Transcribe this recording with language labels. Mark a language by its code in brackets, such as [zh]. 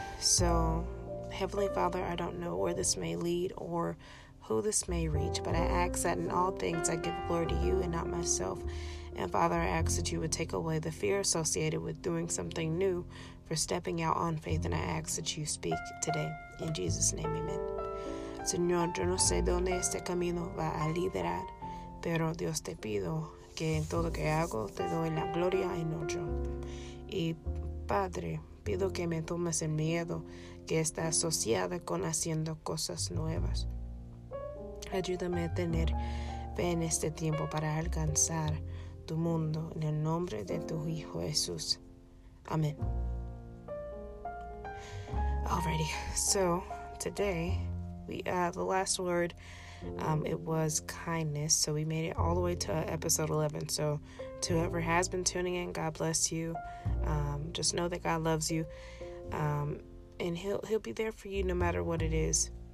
[en] So, Heavenly Father, I don't know where this may lead or who this may reach, but I ask that in all things I give glory to you and not myself. And Father, I ask that you would take away the fear associated with doing something new, for stepping out on faith, and I ask that you speak today. In Jesus' name, amen. [es] Señor, yo no sé dónde este camino va a liderar, pero Dios te pido que en todo que hago te doy la gloria y no yo. Y Padre, pido que me tomes el miedo que está asociado con haciendo cosas nuevas. Ayúdame a tener fe en este tiempo para alcanzar tu mundo, en el nombre de tu Hijo Jesús. Amén. [en] Alrighty, so today, the last word, it was kindness, so we made it all the way to episode 11. So to whoever has been tuning in, God bless you. Just know that God loves you, and he'll be there for you no matter what it is.